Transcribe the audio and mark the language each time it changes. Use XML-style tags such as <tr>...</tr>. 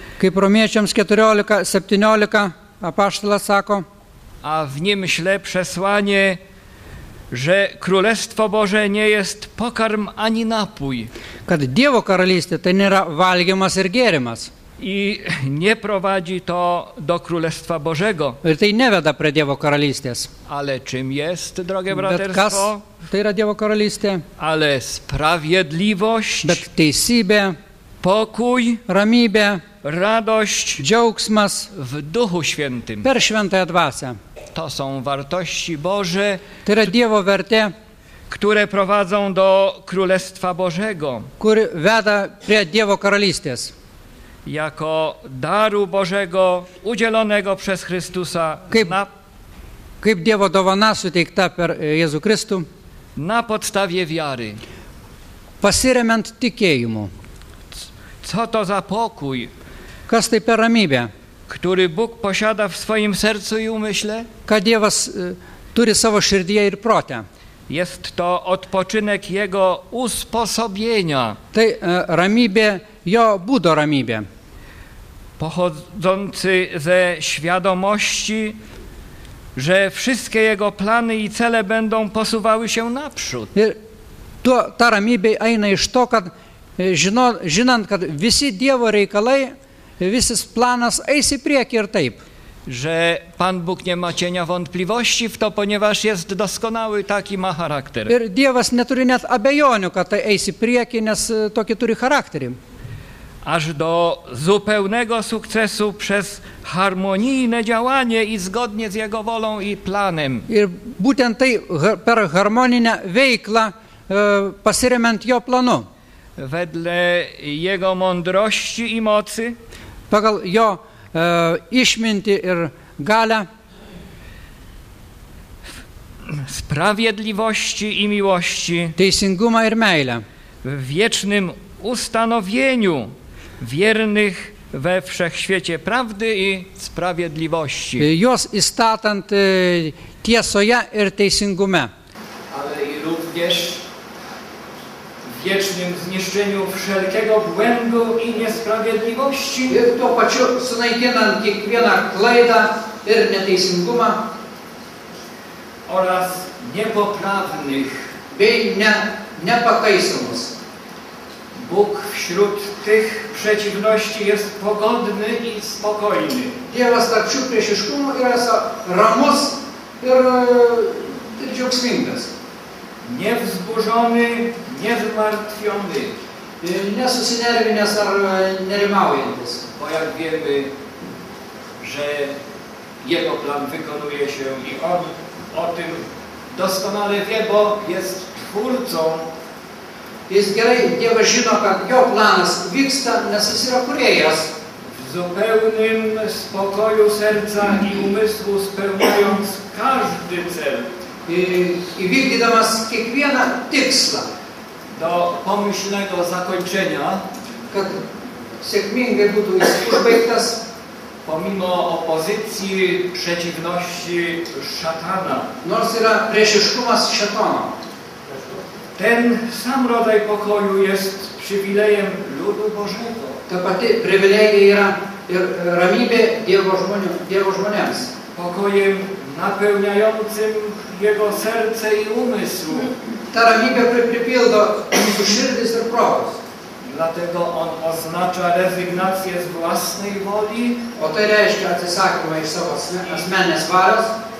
<lt>Kaip Romiečiams 14:17 apaštalas sako.</lt> <pl>A w nim śle przesłanie, że Królestwo Boże nie jest pokarm ani napój.</pl> <lt>Kad Dievo karalystė tai nėra valgymas ir gėrimas.</lt> <pl>I nie prowadzi to do Królestwa Bożego.</pl> <lt>Ir tai neveda prie Dievo karalystės.</lt> <pl>Ale czym jest, drogie braterstwo?</pl> <lt>Bet kas tai yra Dievo karalystė?</lt> <pl>Ale sprawiedliwość.</pl> <lt>Bet teisybė.</lt> <pl>Pokój.</pl> <lt>Ramybė.</lt> <pl>Radość.</pl> <lt>Džiaugsmas.</lt> <pl>W Duchu Świętym.</pl> <lt>Per Świętąją Dvasią.</lt> <pl>To są wartości Boże,</pl> <lt>tai yra Dievo vertė,</lt> <pl>które prowadzą do Królestwa Bożego,</pl> <lt>kur veda prie Dievo karalystės,</lt> <pl>jako daru Bożego udzielonego przez Chrystusa,</pl> <lt>kaip Dievo dovana suteikta per Jėzų Kristų,</lt> <pl>na podstawie wiary,</pl> <lt>pasiremiant tikėjimu.</lt> <pl>Co to za pokój,</pl> <lt>kas tai per ramybė,</lt> <pl>który Bóg posiada w swoim sercu i umyśle?</pl> <lt>Kad Dievas turi savo širdyje ir protę.</lt> <pl>Jest to odpoczynek Jego usposobienia.</pl> <lt>Tai ramybė, jo būdo ramybė.</lt> <pl>Pochodzący ze świadomości, że wszystkie Jego plany i cele będą posuwały się naprzód.</pl> <lt>Ir ta ramybė eina iš to, kad žinant, kad visi Dievo reikalai, visas planas eis į priekį ir taip.</lt> <pl>Że Pan Bóg nie ma cienia wątpliwości w to, ponieważ jest doskonały, taki ma charakter.</pl> <lt>Ir Dievas neturi net abejonių, kad tai eis į priekį, nes tokį turi charakterį.</lt> <pl>Aż do zupełnego sukcesu przez harmonijne działanie i zgodnie z Jego wolą i planem.</pl> <lt>Ir būtent tai per harmoninę veiklą pasiremiant Jo planu.</lt> <pl>Wedle Jego mądrości i mocy.</pl> <lt>Pagal Jo išmintį ir galę.</lt> <pl>Sprawiedliwości i miłości.</pl> <lt>Teisingumą ir meilę.</lt> <pl>W wiecznym ustanowieniu wiernych we wszechświecie prawdy i sprawiedliwości.</pl> <lt>Jos įstatant tiesoje ir teisingume.</lt> <pl>Ale i również w wiecznym zniszczeniu wszelkiego błędu i niesprawiedliwości.</pl> <lt>Ir to pačiu sunaikinant kiekvieną klaidą ir neteisingumą.</lt> <pl>Oraz niepoprawnych.</pl> <lt>Bei nepakaisomus.</lt> <pl>Bóg wśród tych przeciwności jest pogodny i spokojny.</pl> <lt>Dievas tarp šių priešiškumų yra ramus ir džiaugsmingas.</lt> <pl>Niewzburzony, niezmartwiony.</pl> <lt>Nie susinerwinęs ar nerimaujantis.</lt> <pl>Bo jak wiemy, że Jego plan wykonuje się i On o tym doskonale wie, bo jest twórcą.</pl> <lt>Jest gerai, Dievas žino, kad Jo planas vyksta, nes jis yra kūrėjas.</lt> <pl>W zupełnym spokoju serca i umysłu spełniając każdy cel.</pl> <lt>I vykdydamas kiekvieną tikslą</lt> <pl>do pomyślnego zakończenia,</pl> <lt>kad sėkmingai būtų jis užbaigtas,</lt> <pl>pomimo opozycji, przeciwności szatana.</pl> <lt>Nors yra priešiškumas šatono.</lt> <pl>Ten sam rodzaj pokoju jest przywilejem ludu Bożego.</pl> <lt>Ta pati privilegija yra ramybė Dievo žmonių, Dievo žmonėms.</lt> <pl>Pokojem napełniającym jego serce i umysł.</pl> <lt>Ta ramybė pripildo mūsų širdis ir protus.</lt> <pl>Dlatego on oznacza rezygnację z własnej woli.</pl> <lt>O tej reszcie atysakuma i savo asmenės valios.</lt>